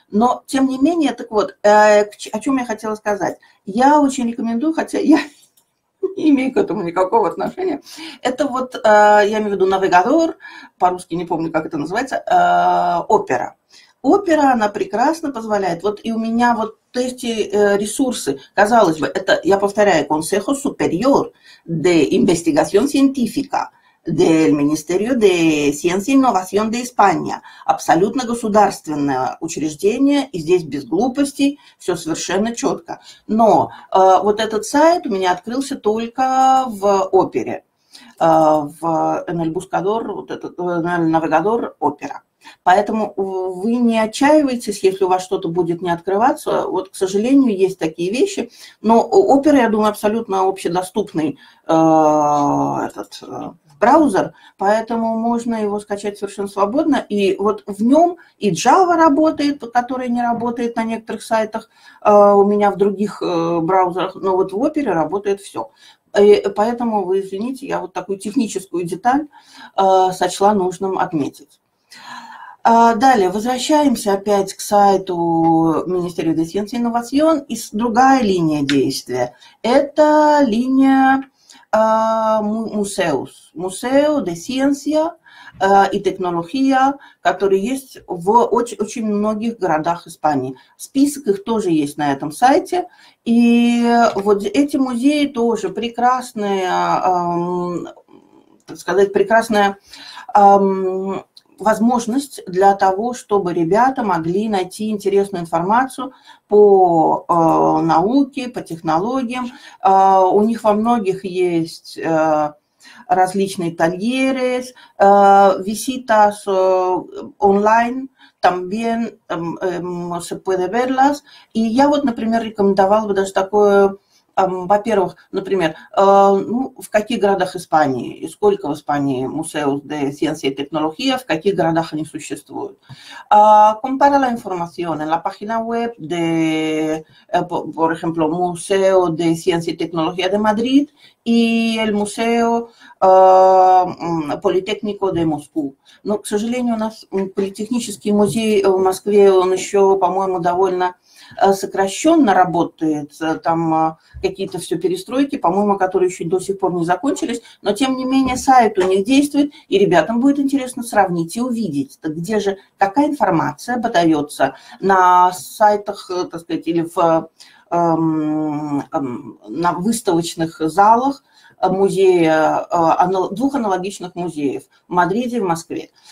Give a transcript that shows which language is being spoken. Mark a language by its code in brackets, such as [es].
[ru] Но тем не менее, так вот, о чем я хотела сказать. Я очень рекомендую, хотя я не имею к этому никакого отношения. Это вот, я имею в виду навигатор, по-русски не помню, как это называется, опера. Опера, она прекрасно позволяет. Вот и у меня вот эти ресурсы, казалось бы, это, я повторяю, Consejo Superior de Investigación Científica del Ministerio de Ciencia e Innovación de España. Абсолютно государственное учреждение, и здесь без глупостей, все совершенно четко. Но вот этот сайт у меня открылся только в опере, в Эль Бускадор, вот этот, Эль Навигадор, опера. Поэтому вы не отчаивайтесь, если у вас что-то будет не открываться. Вот, к сожалению, есть такие вещи. Но опера, я думаю, абсолютно общедоступный этот браузер, поэтому можно его скачать совершенно свободно. И вот в нем и Java работает, которая не работает на некоторых сайтах у меня в других браузерах, но вот в опере работает все. И поэтому, вы извините, я вот такую техническую деталь сочла нужным отметить. Далее, возвращаемся опять к сайту Министерства de Ciencia e Innovación, и другая линия действия. Это линия Museus, Museo de Ciencia и технология, которые есть в очень, очень многих городах Испании. Список их тоже есть на этом сайте. И вот эти музеи тоже прекрасные, так сказать, прекрасная возможность для того, чтобы ребята могли найти интересную информацию по науке, по технологиям. У них во многих есть различные тольеры, visitas онлайн, [es] también se puede verlas. [ru] И я вот, например, рекомендовала бы даже такое, во-первых, например, ну, в каких городах Испании, и сколько в Испании Museos de Ciencia y Tecnología, в каких городах они существуют. [es] Compara la información en la página web de, por ejemplo, Museo de Ciencia y Tecnología de Madrid y el Museo Политехнико de Moscú. [ru] Но, к сожалению, у нас политехнический музей в Москве, он еще, по-моему, довольно сокращенно работает, там какие-то все перестройки, по-моему, которые еще до сих пор не закончились, но тем не менее сайт у них действует, и ребятам будет интересно сравнить и увидеть, где же, какая информация подается на сайтах, так сказать, или в, на выставочных залах музея, двух аналогичных музеев в Мадриде и в Москве.